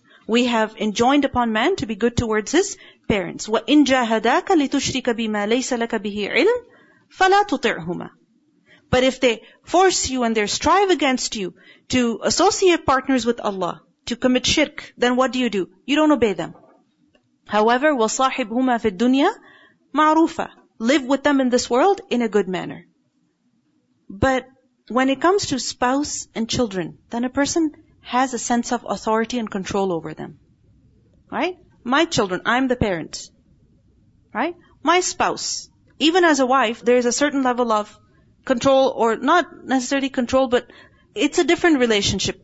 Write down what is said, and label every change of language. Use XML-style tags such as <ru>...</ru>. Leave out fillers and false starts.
<en>We have enjoined upon man to be good towards his parents.</en> <ar>وَإِنْ جَاهَدَاكَ لِتُشْرِكَ بِمَا لَيْسَ لَكَ بِهِ عِلْمٍ فَلَا تُطِعْهُمَا.</ar> <en>But if they force you and they strive against you to associate partners with Allah, to commit shirk, then what do? You don't obey them.</en> <ar>However, وَصَاحِبْهُمَا فِي الدُّنْيَا مَعْرُوفًا.</ar> <en>Live with them in this world in a good manner. But when it comes to spouse and children, then a person has a sense of authority and control over them. Right? My children, I'm the parent. Right? My spouse, even as a wife, there is a certain level of control, or not necessarily control, but it's a different relationship.</en>